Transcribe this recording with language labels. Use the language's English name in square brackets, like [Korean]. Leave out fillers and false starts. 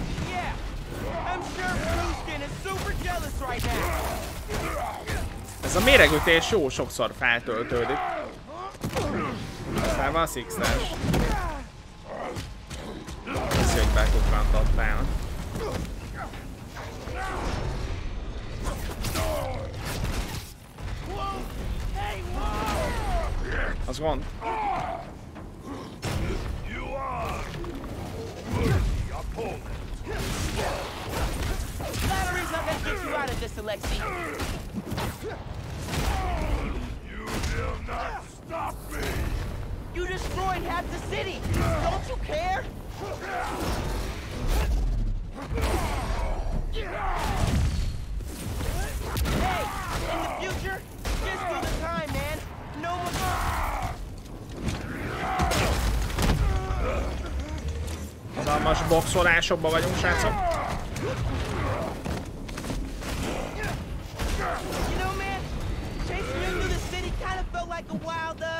[English] Yeah, I'm sure Pluszkin is super jealous right now. [Hungarian] Ez a méregütés jó sokszor feltöltődik. Aztán van a Six-es. Köszi, hogy bekukkantottál. Az gond. [English] Flattery's not gonna get you out of this, Alexei. You will not stop me. You destroyed half the city. Don't you care? Hey, in the future, just do the time, man. No more. [Hungarian] Hatalmas boxolásokban vagyunk, srácok. [English] You know, man, chasing you through the city kind of felt like a wild,